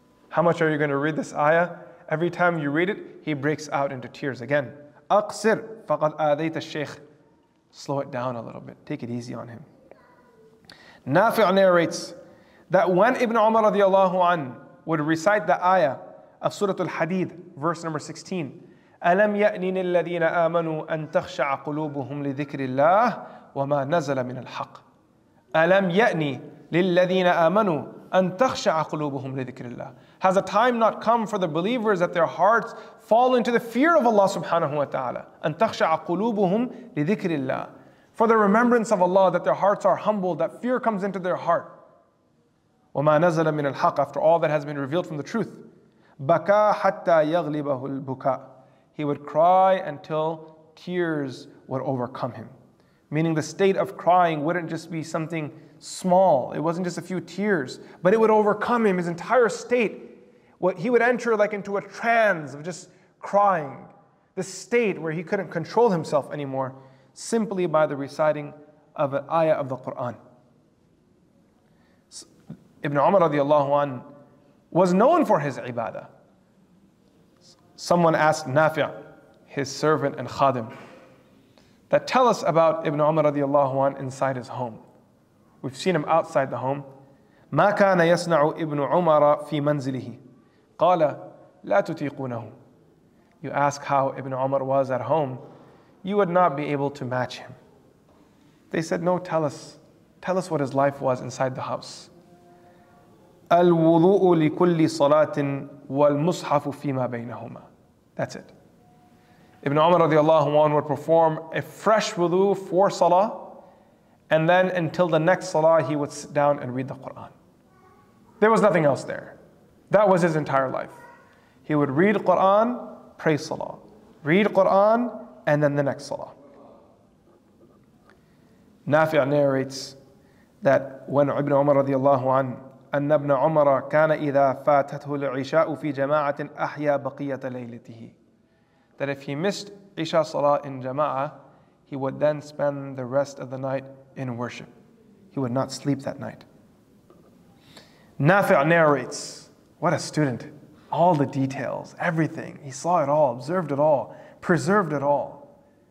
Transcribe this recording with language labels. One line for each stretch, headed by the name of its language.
English: How much are you going to read this ayah? Every time you read it, he breaks out into tears again.
Arabic: أَقْصِرْ فَقَدْ أَذَيْتَ الشَّيْخِ.
English: Slow it down a little bit. Take it easy on him. Nafi' narrates that when Ibn Umar radiallahu anhu would recite the ayah of Surah Al-Hadid, verse number 16.
Arabic: أَلَمْ يَأْنِنِ الَّذِينَ آمَنُوا أَن تَخْشَعَ قُلُوبُهُمْ لِذِكْرِ اللَّهِ وَمَا نَزَلَ مِنَ الْحَقِّ أَلَمْ يَأْنِ لِلَّذِينَ آمَنُوا أَن تَخْشَعَ قُلُوبُهُمْ لِذِكْرِ اللَّهِ
English: Has a time not come for the believers that their hearts fall into the fear of Allah subhanahu wa ta'ala?
Arabic: أَن تَخْشَعَ قُلُوبُهُمْ لِذِكْرِ اللَّهِ
English: For the remembrance of Allah, that their hearts are humbled, that fear comes into their heart.
Arabic: وَمَا نَزَلَ مِنَ الْحَقِّ
English: After all that has been revealed from the truth.
Arabic: بَكَى حَتَّى يَغْلِبَهُ الْبُكَاءُ
English: He would cry until tears would overcome him. Meaning the state of crying wouldn't just be something small. It wasn't just a few tears. But it would overcome him, his entire state. What he would enter like into a trance of just crying. The state where he couldn't control himself anymore simply by the reciting of an ayah of the Qur'an. Ibn Umar radiallahu anh was known for his ibadah. Someone asked Nafi', his servant and khadim, that tell us about Ibn Umar radiallahu anh inside his home. We've seen him outside the home.
Arabic: ما كان يصنع ابن عمر في منزله؟ قال لا تطيقونه.
English: You ask how Ibn Umar was at home, you would not be able to match him. They said, no, tell us. Tell us what his life was inside the house.
Arabic: الوضوء لكل صلاة والمصحف فيما بينهما.
English: That's it. Ibn Umar radiallahu anhu would perform a fresh wudu for salah, and then until the next salah, he would sit down and read the Quran. There was nothing else there. That was his entire life. He would read Quran, pray salah. Read Quran, and then the next salah. Nafi' narrates that when Ibn Umar radiallahu anhu
Arabic: أن ابن عمر كان إذا فاتته العشاء في جماعة أحيا بقية ليلته.
English: That if he missed عشاء صلاة in جماعة, he would then spend the rest of the night in worship. He would not sleep that night. Nafi' narrates, what a student. All the details, everything. He saw it all, observed it all, preserved it all.